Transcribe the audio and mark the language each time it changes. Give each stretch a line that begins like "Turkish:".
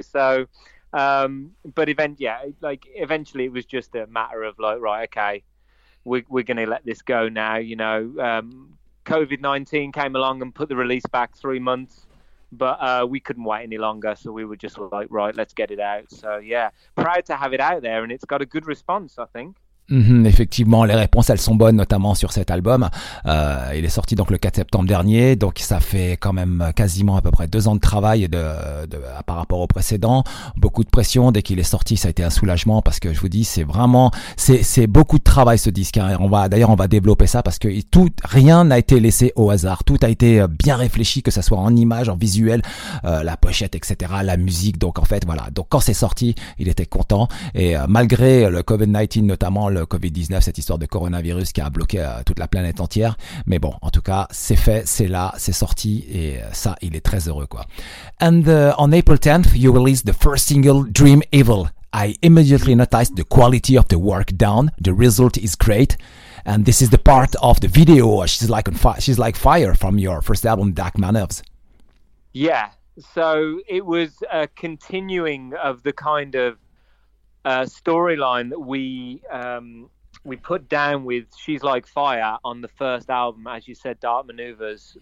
English: So, eventually it was just a matter of like, right, okay, we're going to let this go now, you know. COVID-19 came along and put the release back 3 months. But we couldn't wait any longer, so we were just like, right, let's get it out. So, yeah, proud to have it out there, and it's got a good response, I think.
French: Mm-hmm, effectivement, les réponses, elles sont bonnes, notamment sur cet album. Il est sorti donc le 4 septembre dernier, donc ça fait quand même quasiment à peu près 2 ans de travail par rapport au précédent. Beaucoup de pression, dès qu'il est sorti, ça a été un soulagement, parce que je vous dis, c'est vraiment, c'est beaucoup de travail ce disque. Hein. On va développer ça, parce que rien n'a été laissé au hasard. Tout a été bien réfléchi, que ça soit en image, en visuel, la pochette, etc., la musique. Donc en fait, voilà. Donc quand c'est sorti, il était content. Et malgré le COVID-19 notamment, le Covid-19, cette histoire de coronavirus qui a bloqué toute la planète entière. Mais bon, en tout cas, c'est fait, c'est là, c'est sorti, et ça, il est très heureux, quoi.
English: And on April 10th, you released the first single, Dream Evil. I immediately noticed the quality of the work done. The result is great. And this is the part of the video. She's like fire from your first album, Dark Manoeuvres. Yeah, so it was a continuing of the kind of storyline that we put down with She's Like Fire on the first album, as you said, Dark Manoeuvres.